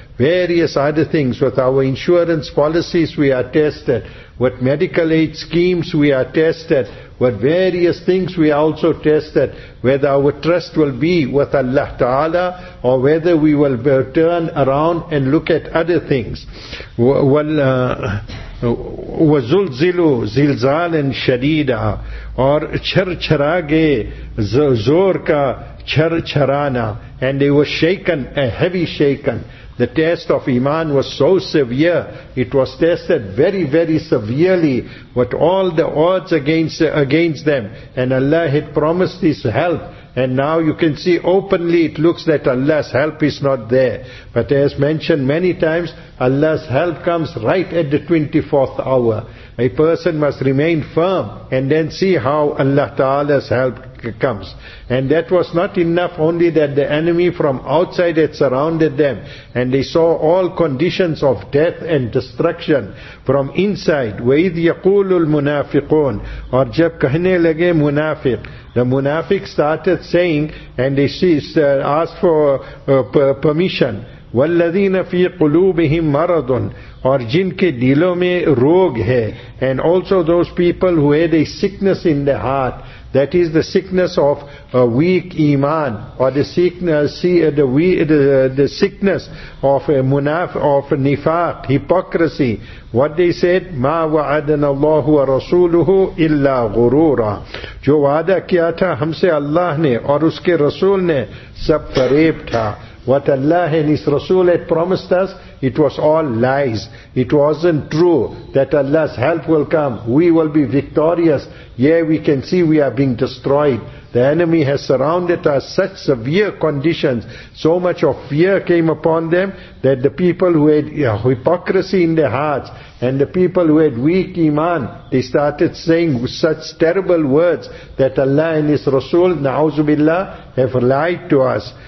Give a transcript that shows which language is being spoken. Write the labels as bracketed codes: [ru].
[en] Various other things, with our insurance policies we are tested, with medical aid schemes we are tested, with various things we are also tested, whether our trust will be with Allah Ta'ala or whether we will turn around and look at other things. [ar] وَزُلْزِلُوا زِلْزَالًا شَدِيدًا, [ur] اور چھر چھرا گئے زور کا چھر چھرانا. [en] And they were shaken, a heavy shaken. The test of iman was so severe. It was tested very, very severely, with all the odds against them. And Allah had promised His help. And now you can see openly it looks that Allah's help is not there. But as mentioned many times, Allah's help comes right at the 24th hour. A person must remain firm and then see how Allah Ta'ala's help comes. And that was not enough, only that the enemy from outside had surrounded them and they saw all conditions of death and destruction from inside. [ar] وَإِذْ يَقُولُ الْمُنَافِقُونَ, [ur] اور جب کہنے لگے منافق. [en] The munafiq started saying, and they asked for permission. [ar] وَالَّذِينَ فِي قُلُوبِهِمْ مَرَضٌ, [ur] اور جن کے دلوں میں روگ ہے. [en] And also those people who had a sickness in their heart. That is the sickness of a weak iman, or the sickness of nifaq, hypocrisy. What they said, [ar] مَا وَعَدَنَ اللَّهُ وَرَسُولُهُ إِلَّا غُرُورًا, [ur] جو وعدہ کیا تھا ہم سے اللہ نے اور اس کے رسول نے سب فریب تھا. [en] What Allah and His Rasul had promised us, It was all lies. It wasn't true that Allah's help will come. We will be victorious. Yeah, we can see we are being destroyed. The enemy has surrounded us such severe conditions. So much of fear came upon them that the people who had hypocrisy in their hearts and the people who had weak iman, they started saying such terrible words that Allah and His Rasul, na'uzu billah, have lied to us.